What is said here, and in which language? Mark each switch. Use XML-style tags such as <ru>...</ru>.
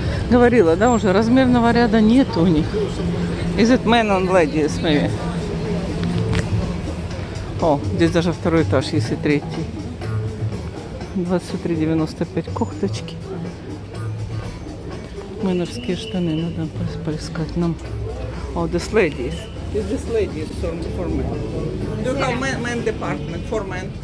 <ru>Говорила, да, уже размерного ряда нет у них.</ru> <en>Is it men and ladies, maybe?</en> <ru>О, здесь даже второй этаж есть и третий. 23,95 кофточки. Мэнерские штаны надо поискать нам.</ru> <en>О, oh, this lady. Is this lady for men? Do you have men department for men?</en>